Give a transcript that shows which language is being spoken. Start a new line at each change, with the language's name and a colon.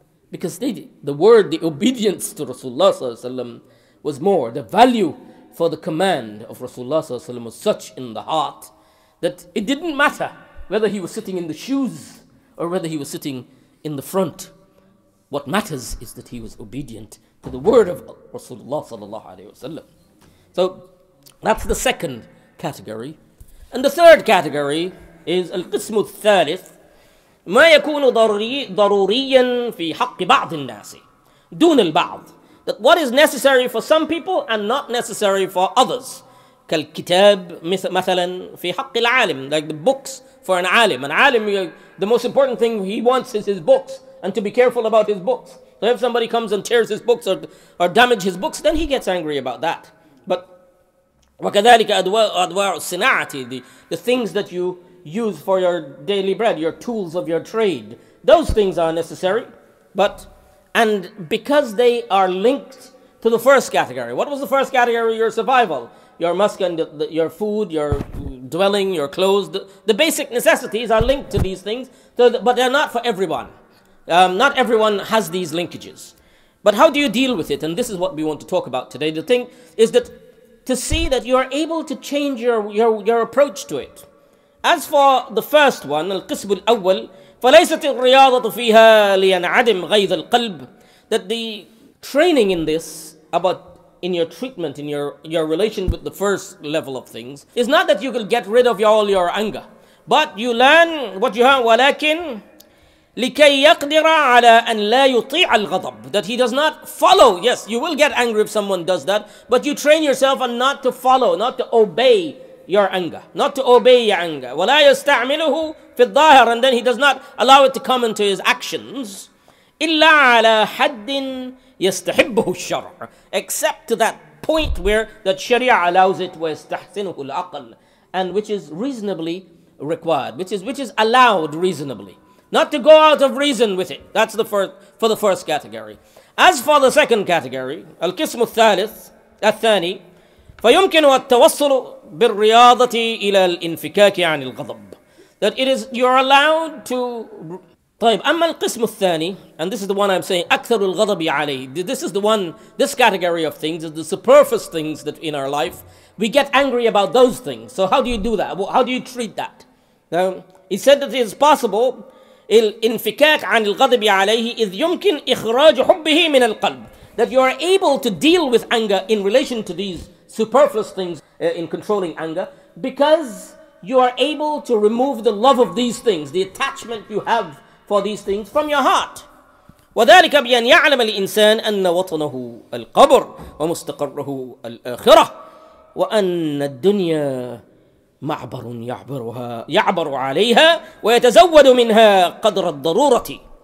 English: Because the obedience to Rasulullah sallallahu alaihi wasallam was more, the value for the command of Rasulullah sallallahu alaihi wasallam was such in the heart that it didn't matter whether he was sitting in the shoes or whether he was sitting in the front. What matters is that he was obedient to the word of Rasulullah sallallahu alaihi wasallam. So that's the second category. And the third category is al-qism al-thalith,
Arabic: ما يكون ضروريا في حق بعض الناس دون البعض.
English: That what is necessary for some people and not necessary for others.
Arabic: كالكتاب مثلا في حق العالم.
English: Like the books for an alim. An alim, the most important thing he wants is his books, and to be careful about his books. So if somebody comes and tears his books or damage his books, then he gets angry about that. But
Arabic: وكذلك أدواء الصناعة,
English: the things that you use for your daily bread, your tools of your trade, those things are necessary. But and because they are linked to the first category. What was the first category? Your survival, your muskan, your food, your dwelling, your clothes, the basic necessities are linked to these things, but they're not for everyone. Not everyone has these linkages. But how do you deal with it? And this is what we want to talk about today. The thing is that to see that you are able to change your approach to it. As for the first one, al-qism al-awwal,
Arabic: فَلَيْسَتِ الرِّيَاضَةُ فِيهَا لِيَنْعَدِمْ غَيْظَ الْقَلْبِ.
English: That the training in this, about in your treatment, in your relation with the first level of things, is not that you will get rid of all your anger. But you learn what you have,
Arabic: وَلَكِنْ لِكَيْ يَقْدِرَ عَلَىٰ أَنْ لَا يُطِيعَ الْغَضَبِ.
English: That he does not follow. Yes, you will get angry if someone does that, but you train yourself and not to follow, not to obey your anger, not to obey your anger.
Arabic: وَلَا يَسْتَعْمِلُهُ فِي الظَّاهِرِ.
English: And then he does not allow it to come into his actions.
Arabic: إِلَّا عَلَى حَدٍ يَسْتَحِبُّهُ الشَّرْعِ.
English: Except to that point where that Sharia allows it,
Arabic: وَيَسْتَحْسِنُهُ الْعَقْلِ.
English: And which is reasonably required, which is allowed reasonably. Not to go out of reason with it. That's the first, for the first category. As for the second category,
Arabic: الْقِسْمُ الثَّالِثِ الثَّانِي, فَيُمْكِنُ التَّوَصُّلُ بِالرِّيَاضَةِ إِلَى الْإِنْفِكَاكِ عَنِ الْغَضَبِ.
English: That it is, you're allowed to...
Arabic: طيب, أما القسم الثاني,
English: and this is the one I'm saying,
Arabic: أكثر الغضب عليه.
English: This is the one, this category of things, is the superfluous things that in our life, we get angry about those things. So how do you do that? How do you treat that? Now, he said that it is possible,
Arabic: الْإِنْفِكَاكِ عَنِ الْغَضَبِ عَلَيْهِ إِذْ يُمْكِنْ إِخْرَاجُ حُبِّهِ مِنَ الْقَلْبِ.
English: That you are able to deal with anger in relation to these superfluous things in controlling anger, because you are able to remove the love of these things, the attachment you have for these things, from your heart.
Arabic: وَذَلِكَ بِأَنْ يَعْلَمَ الْإِنسَانَ أَنَّ وَطَنَهُ الْقَبْرُ وَمُسْتَقَرَّهُ الْآخِرَةُ وَأَنَّ الدُّنْيَا مَعْبَرٌ يَعْبَرُ عَلَيْهَا وَيَتَزَوَّدُ مِنْهَا قَدْرَ الضَّرُورَةِ.